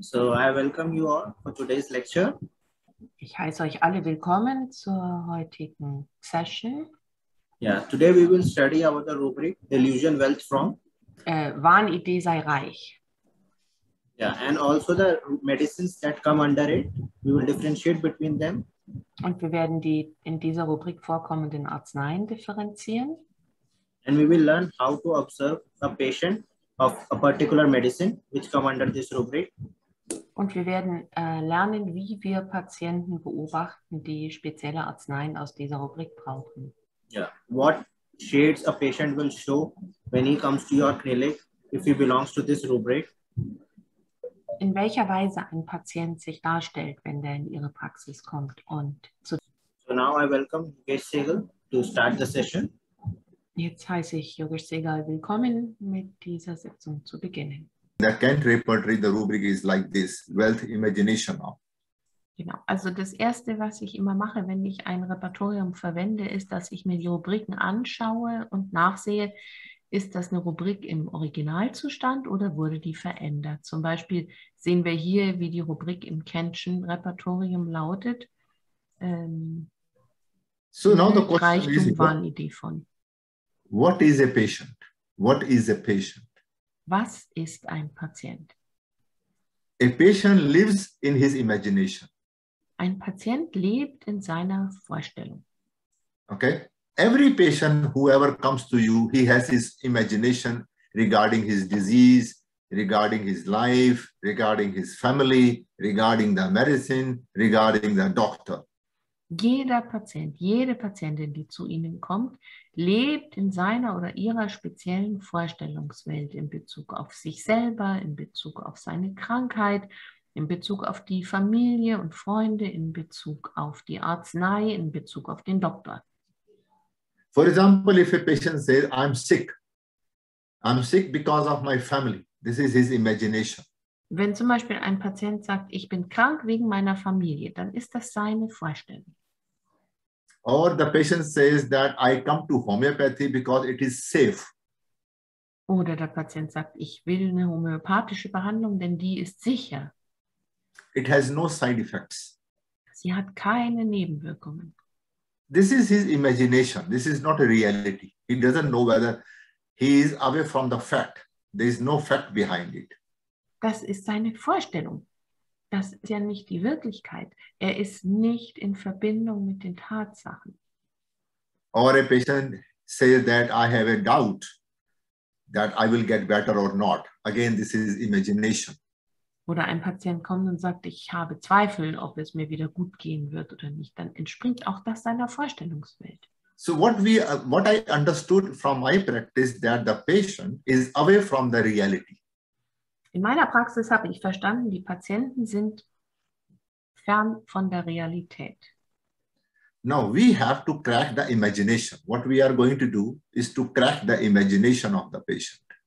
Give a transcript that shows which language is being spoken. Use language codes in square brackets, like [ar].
[en] So I welcome you all for today's lecture. [de] Ich heiße euch alle willkommen zur heutigen Session. [en] Yeah, today we will study about the rubric Delusion Wealth from. [de] Wahn, Idee sei reich. [en] Yeah, and also the medicines that come under it, we will differentiate between them. [de] Und wir werden die in dieser Rubrik vorkommenden Arzneien differenzieren. [en] And we will learn how to observe a patient of a particular medicine which come under this rubric. [de] Und wir werden lernen, wie wir Patienten beobachten, die spezielle Arzneien aus dieser Rubrik brauchen. [en] Yeah. What shades a patient will show when he comes to your clinic if he belongs to this rubric? [de] In welcher Weise ein Patient sich darstellt, wenn der in ihre Praxis kommt und zu. [en] So now I welcome Yogesh Sehgal to start the session. [de] Jetzt heiße ich Yogesh Sehgal willkommen, mit dieser Sitzung zu beginnen. [en] The Kent repertory, the rubric is like this, wealth imagination. [de] Genau, also das Erste, was ich immer mache, wenn ich ein Repertorium verwende, ist, dass ich mir die Rubriken anschaue und nachsehe, ist das eine Rubrik im Originalzustand oder wurde die verändert? Zum Beispiel sehen wir hier, wie die Rubrik im Kentschen Repertorium lautet. [en] So now the question Reichtum is, what is a patient? What is a patient? [de] Was ist ein Patient? [en] A patient lives in his imagination. [de] Ein Patient lebt in seiner Vorstellung. [en] Okay. Every patient, whoever comes to you, he has his imagination regarding his disease, regarding his life, regarding his family, regarding the medicine, regarding the doctor. [de] Jeder Patient, jede Patientin, die zu Ihnen kommt, lebt in seiner oder ihrer speziellen Vorstellungswelt in Bezug auf sich selber, in Bezug auf seine Krankheit, in Bezug auf die Familie und Freunde, in Bezug auf die Arznei, in Bezug auf den Doktor. [en] For example, if a patient says, I'm sick because of my family. This is his imagination. [de] Wenn zum Beispiel ein Patient sagt, ich bin krank wegen meiner Familie, dann ist das seine Vorstellung. [en] Or the patient says that I come to homeopathy because it is safe. [de] Oder der Patient sagt, ich will eine homöopathische Behandlung, denn die ist sicher. [en] It has no side effects. [de] Sie hat keine Nebenwirkungen. [en] This is his imagination. This is not a reality. He doesn't know whether he is away from the fact. There is no fact behind it. [de] Das ist seine Vorstellung. Das ist ja nicht die Wirklichkeit. Er ist nicht in Verbindung mit den Tatsachen. [en] Or a patient says that I have a doubt that I will get better or not. Again, this is imagination. [de] Oder ein Patient kommt und sagt, ich habe Zweifel, ob es mir wieder gut gehen wird oder nicht. Dann entspringt auch das seiner Vorstellungswelt. [en] So what I understood from my practice that the patient is away from the reality. [de] In meiner Praxis habe ich verstanden, die Patienten sind fern von der Realität. [en] Now we have to crack the imagination. What we are going to do is to crack the imagination of the patient.